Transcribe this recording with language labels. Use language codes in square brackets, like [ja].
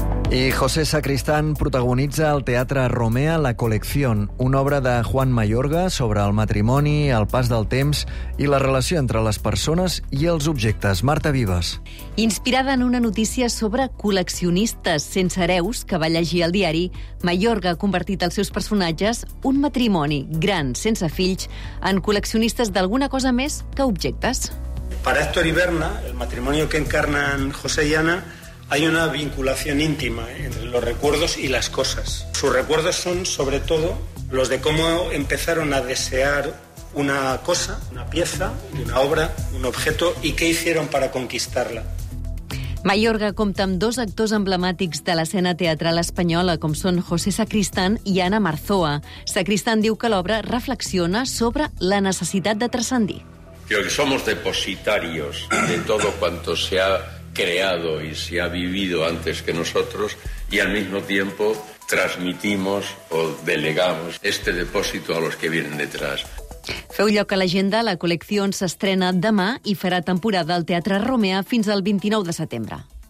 [ca] I José Sacristán protagonitza al Teatre Romea La Colección, una obra de Juan Mayorga sobre el matrimoni, el pas del temps i la relació entre les persones i els objectes. Marta Vives. Inspirada en una notícia sobre col·leccionistes sense hereus que va llegir al diari, Mayorga ha convertit els seus personatges, un matrimoni gran sense fills, en col·leccionistes d'alguna cosa més que objectes. [es] Para Héctor y Berna, el matrimonio que encarnan José y Ana, hay una vinculación íntima entre los recuerdos y las cosas. Sus recuerdos son, sobre todo, los de cómo empezaron a desear una cosa, una pieza, una obra, un objeto, y qué hicieron para conquistarla. [ca] Mayorga compta amb dos actors emblemàtics de l'escena teatral espanyola, com són José Sacristán i Ana Marzoa. Sacristán diu que l'obra reflexiona sobre la necessitat de transcendir. [es] Creo que somos depositarios de todo cuanto se ha creado y se ha vivido antes que nosotros y al mismo tiempo transmitimos o delegamos este depósito a los que vienen detrás. [ca] Feu lloc a l'agenda, la col·lecció s'estrena demà i farà temporada al Teatre Romea fins al 29 de setembre.